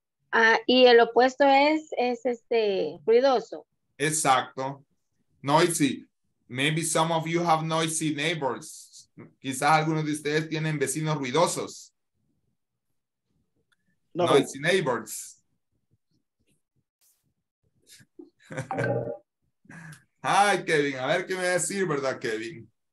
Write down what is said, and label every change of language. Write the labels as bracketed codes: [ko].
[es] Ah, y el opuesto es ruidoso. Exacto. Noisy. [en] Maybe some of you have noisy neighbors. [es] Quizás algunos de ustedes tienen vecinos ruidosos. [en] No. Noisy neighbors. [es] Hi, Kevin. A ver qué me va a decir, ¿verdad, Kevin?